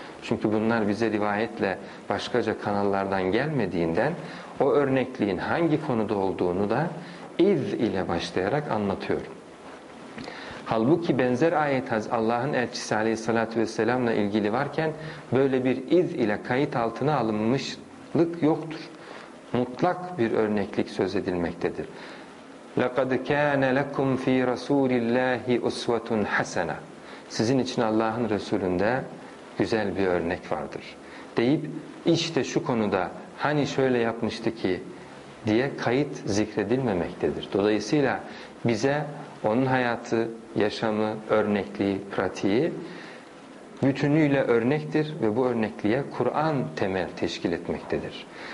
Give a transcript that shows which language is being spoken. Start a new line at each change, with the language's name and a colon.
Turkish: Çünkü bunlar bize rivayetle başkaca kanallardan gelmediğinden o örnekliğin hangi konuda olduğunu da iz ile başlayarak anlatıyor. Halbuki benzer ayet Allah'ın elçisi aleyhissalatü vesselamla ilgili varken böyle bir iz ile kayıt altına alınmışlık yoktur. Mutlak bir örneklik söz edilmektedir.
Arabic: لَقَدْ كَانَ لَكُمْ ف۪ي رَسُولِ اللّٰهِ اُسْوَةٌ حَسَنَةٌ.
Turkish: Sizin için Allah'ın Resulü'nde güzel bir örnek vardır deyip, işte şu konuda hani şöyle yapmıştı ki diye kayıt zikredilmemektedir. Dolayısıyla bize onun hayatı, yaşamı, örnekliği, pratiği bütünüyle örnektir ve bu örnekliğe Kur'an temel teşkil etmektedir.